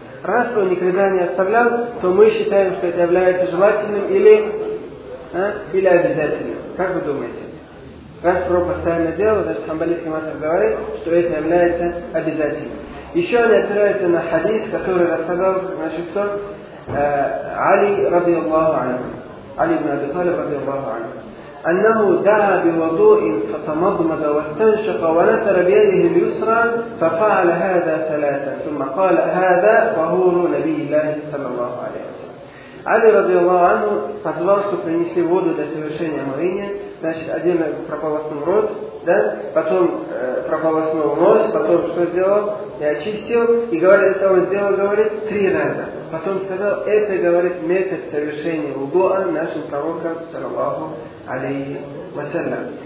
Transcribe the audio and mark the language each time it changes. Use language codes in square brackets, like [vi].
[ru] Раз он никогда не оставлял, то мы считаем, что это является желательным или обязательным. Как вы думаете? Раз пророк постоянно делал, значит, ханбалийский мазхаб говорит, что это является обязательным. Еще они опираются на хадис, который рассказал, значит, кто? Али, ради Аллаху анху. Али ибн Аби Талиб, ради Аллаху анху. [ar] أنه دعا بوضوء فتمضمض واستنشق ونثر بيده اليسرى ففعل هذا ثلاثا ثم قال هذا طهور نبي الله صلى الله عليه وسلم. علي رضي الله عنه [ru] позвал, чтобы принесли воду для совершения омовения, значит, один прополоснул рот, да, потом прополоснул нос, потом что сделал? И очистил, и говорит, это он сделал, говорит, три раза. Потом сказал, это, говорит, метод совершения вуду'а нашим пророкам, саллаллаху алейхи ва саллям.